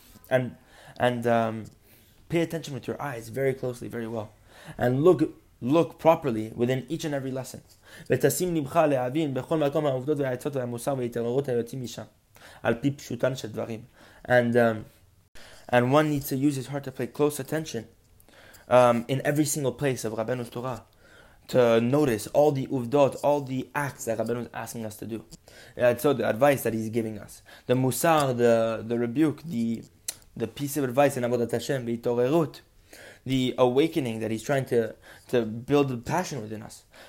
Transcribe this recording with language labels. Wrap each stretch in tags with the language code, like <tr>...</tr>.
<en>And pay attention with your eyes very closely, very well. And look properly within each and every lesson.</en> <he>ותשים נמך להבין בכל מקום העובדות והעצות והמוסר והתעוררות היוצאים משם על פי פשוטן של דברים.</he> <en>And one needs to use his heart to pay close attention in every single place of Rabbeinu's Torah to notice all the uvdot, all the acts that Rabbeinu is asking us to do. So the advice that he's giving us, the musar, the rebuke, the piece of advice in Avodat Hashem, והתעוררות, the awakening that he's trying to build a passion within us.</en>